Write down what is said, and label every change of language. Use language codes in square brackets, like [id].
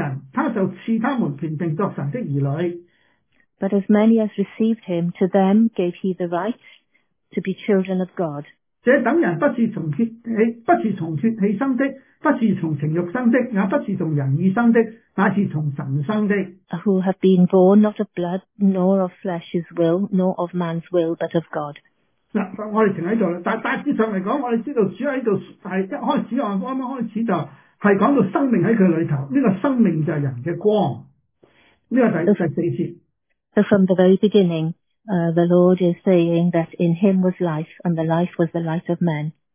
[zh] 凡接待他的，就是信他名的人，他就赐他们权柄作神的儿女。 [en] But as many as received him, to them gave he the right to be children of God. [zh] 这等人不是从血气生的。不是从情欲生的，也不是从人意生的，乃是从神生的。 [en] Who have been born not of blood, nor of flesh's will, nor of man's will, but of God. [zh] 我们停在这里，大致上来讲，我们知道主在这里，一开始，我们开始就是讲到生命在他里头，这个生命就是人的光，这个第四节。 [en] So from the very beginning, the Lord is saying that in him was life, and the life was the light of men.